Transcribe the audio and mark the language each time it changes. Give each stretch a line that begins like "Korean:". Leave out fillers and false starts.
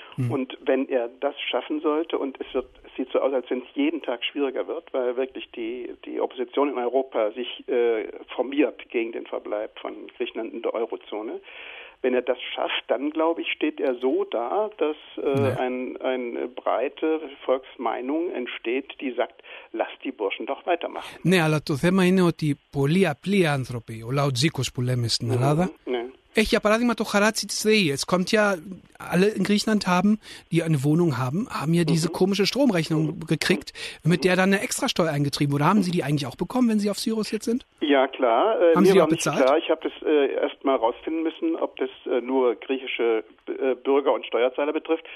German: Und wenn er das schaffen sollte, und es sieht so aus, als wenn es jeden Tag schwieriger wird, weil wirklich die Opposition in Europa sich formiert gegen den Verbleib von Griechenland in der Eurozone, wenn er das schafft, dann glaube ich, steht er so da, dass eine breite Volksmeinung entsteht, die sagt, lass die Burschen doch weitermachen.
Greek: Ναι, αλλά το θέμα είναι ότι πολλοί απλοί άνθρωποι, ο λαοτζίκος που λέμε στην Ελλάδα, έχει για παράδειγμα το χαράτσι της ΔΕΗ.
German: Es kommt ja, alle in Griechenland haben, die eine Wohnung haben, haben ja diese komische Stromrechnung gekriegt, mit der dann eine Extrasteuer eingetrieben wurde. Haben Sie die eigentlich auch bekommen, wenn Sie auf Syros jetzt sind? Ja, klar. Haben Sie die auch bezahlt? Klar. Ich habe das erst mal rausfinden müssen, ob das nur griechische Bürger und Steuerzahler betrifft.